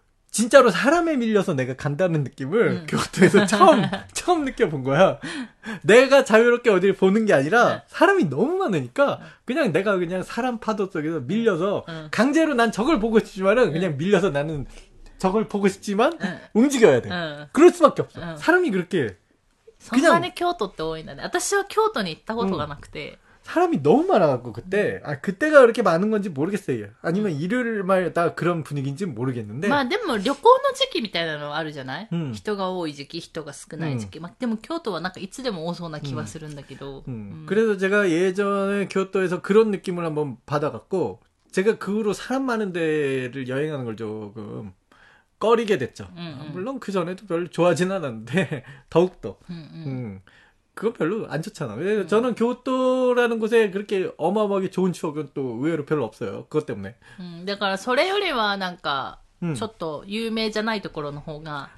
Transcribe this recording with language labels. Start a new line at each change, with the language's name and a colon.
Korean: 진짜로 사람에 밀려서 내가 간다는 느낌을 교토에서 처음 느껴본 거야. 내가 자유롭게 어디를 보는 게 아니라 사람이 너무 많으니까 그냥 내가 그냥 사람 파도 속에서 밀려서 강제로 난 저걸 보고 싶지만은 그냥 밀려서 나는 저걸 보고 싶지만 움직여야 돼. 그럴 수밖에 없어. 사람이 그렇게
Japanese: そんな
Korean: 그냥
Japanese: に京都って多いんだね。私は京都に行ったことがなくて。
Korean: 사람이 너무 많아갖고 그때 그때가 그렇게 많은 건지 모르겠어요. 아니면 일요일마다 그런 분위기인지 모르겠는데.
Japanese: まあでも旅行の時期みたいなのはあるじゃない?人が多い時期、人が少ない時期。まあでも京都はなんかいつでも多そうな気はするんだけど。
Korean: 그래서 제가 예전에 교토에서 그런 느낌을 한번 받아갖고 제가 그 후로 사람 많은 데를 여행하는 걸 조금 꺼리게 됐죠. 물론 그 전에도 별로 좋아하진 않았는데 더욱더. 그건 별로 안 좋잖아. 저는 교토라는 곳에 그렇게 어마어마하게 좋은 추억은 또 의외로 별로 없어요. 그것 때문에.
Japanese: 응, だからそれよりはなんかちょっと有名じゃないところの方が